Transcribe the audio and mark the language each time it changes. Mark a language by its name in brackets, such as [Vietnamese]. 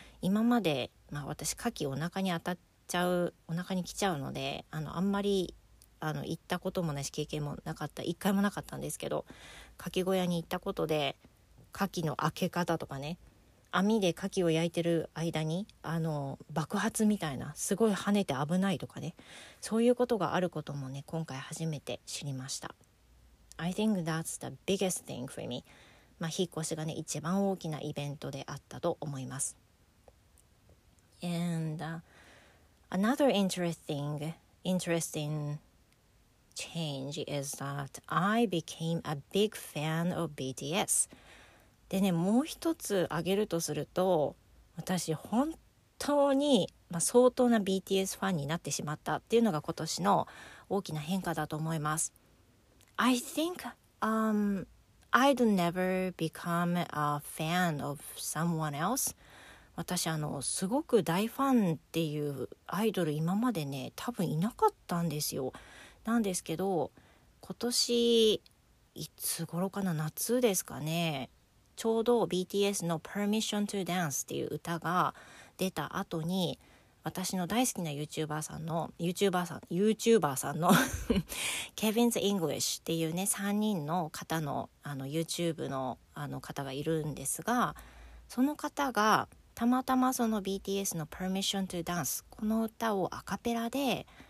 [Japanese] 今まで、私柿お腹に当たっちゃう、お腹に来ちゃうので、あんまり行ったこともないし、経験もなかった、一回もなかったんですけど、柿小屋に行ったことで柿の開け方とかね、網で牡蠣を焼いてる間に爆発みたいな、すごい跳ねて危ないとかね、そういうことがあることもね、今回初めて知りました。 [English] I think that's the biggest thing for me. [Japanese] 引っ越しがね、一番大きなイベントであったと思います。 [English] And another interesting change is that I became a big fan of BTS [Japanese] でね、もう一つ挙げるとすると、私本当に、相当な BTS ファンになってしまったっていうのが今年の大きな変化だと思います。 [English] I think I'd never become a fan of someone else. [Japanese] 私すごく大ファンっていうアイドル今までね、多分いなかったんですよ。なんですけど、今年いつ頃かな、夏ですかね、ちょうど BTS の Permission to Dance っていう歌が出た後に、私の大好きな YouTuber さんのKevin's English っていうね、3人の方の YouTube の方がいるんですが、その方がたまたまその BTS の Permission to Dance、 この歌をアカペラで、